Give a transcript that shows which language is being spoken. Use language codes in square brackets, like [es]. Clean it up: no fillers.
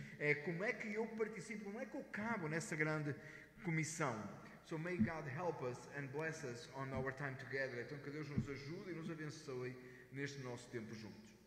[pt] É como é que eu participo, como é que eu cabo nessa grande comissão? [en] So may God help us and bless us on our time together. [pt] Então que Deus nos ajude e nos abençoe neste nosso tempo juntos.